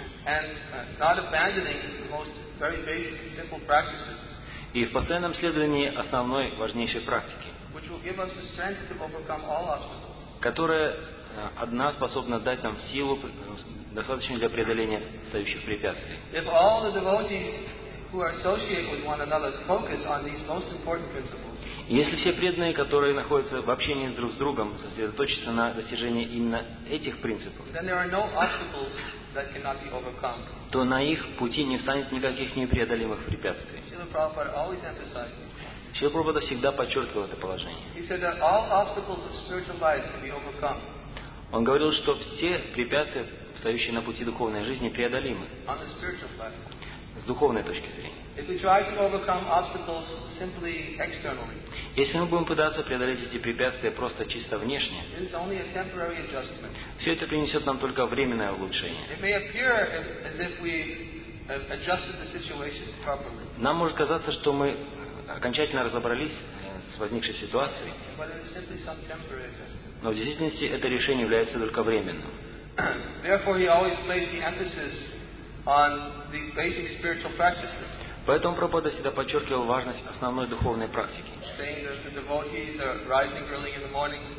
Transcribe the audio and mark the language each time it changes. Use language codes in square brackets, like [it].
[en] and not abandoning the most very basic and simple practices, [ru] и в постоянном следовании основной важнейшей практики, [en] which will give us the strength to overcome all obstacles, [ru] которая одна способна дать нам силу, достаточно для преодоления стоящих препятствий. [en] If all the devotees who are associated with one another focus on these most important principles, [ru] если все преданные, которые находятся в общении друг с другом, сосредоточатся на достижении именно этих принципов, [en] then there are no obstacles that cannot be overcome. [ru] То на их пути не встанет никаких непреодолимых препятствий. [en] Srila Prabhupada always emphasized this. [ru] Srila Prabhupada всегда подчеркивал это положение. [en] He said that all obstacles of spiritual life can be overcome. [ru] Он говорил, что все препятствия, стоящие на пути духовной жизни, преодолимы. [en] On the spiritual life. [ru] С духовной точки зрения. [en] If we try to overcome obstacles simply externally, [ru] если мы будем пытаться преодолеть эти препятствия просто чисто внешне, [en] it is only a temporary adjustment. [ru] Все это принесет нам только временное улучшение. [en] It may appear as if we adjusted the situation properly. [ru] Нам может казаться, что мы окончательно разобрались с возникшей ситуацией, [en] but it is simply some temporary adjustment. [ru] Но в действительности это решение является только временным. [en] Therefore, he always placed the emphasis on the basic spiritual practices. [ru] Поэтому Прабхупада всегда подчеркивал важность основной духовной практики. [en] Saying that the devotees are rising early in the morning.